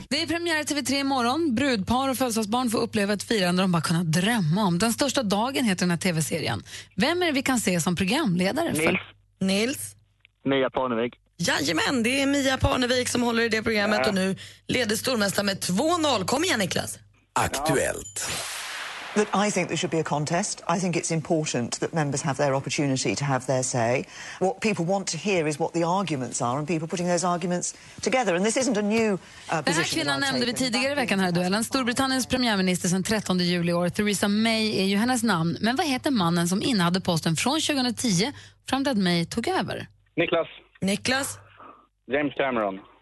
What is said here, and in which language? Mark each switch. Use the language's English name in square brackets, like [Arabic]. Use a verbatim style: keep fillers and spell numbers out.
[Swedish] Det är premiär T V tre imorgon. Brudpar och födelsedagsbarn får uppleva ett firande de bara kunnat drömma om. Den största dagen heter den här T V-serien. Vem är det vi kan se som programledare? Nils. För? Nils. Mia Parnevik. Jajamän, det är Mia Parnevik som håller i det programmet ja. Och nu leder stormästaren med två noll. Kom igen Niklas. Aktuellt. [English] That I think there should be a contest. I think it's important that members have their opportunity to have their say. What people want to hear is what the arguments are and people putting those arguments together. And this isn't a new uh, position. [Swedish] Den här kvinnan nämnde vi tidigare i veckan här i duellen. Storbritanniens premiärminister sedan trettonde juli i år, Theresa May, är ju hennes namn. Men vad heter mannen som innehade posten från tjugohundratio fram till att May tog över? Niklas. Niklas? James Cameron.